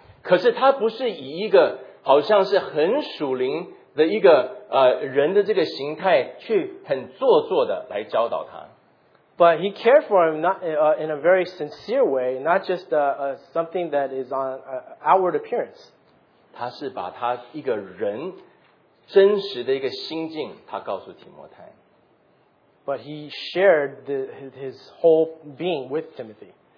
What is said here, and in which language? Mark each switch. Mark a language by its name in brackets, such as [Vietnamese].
[Chinese] 可是他不是以一个好像是很属灵的一个 人的这个形态去很做作的来教导他。 [English] But he cared for him not in a very sincere way, not just something that is on outward appearance. [Chinese] 他是把他一个人真实的一个心境，他告诉提摩太。 [English] But he shared his whole being with Timothy.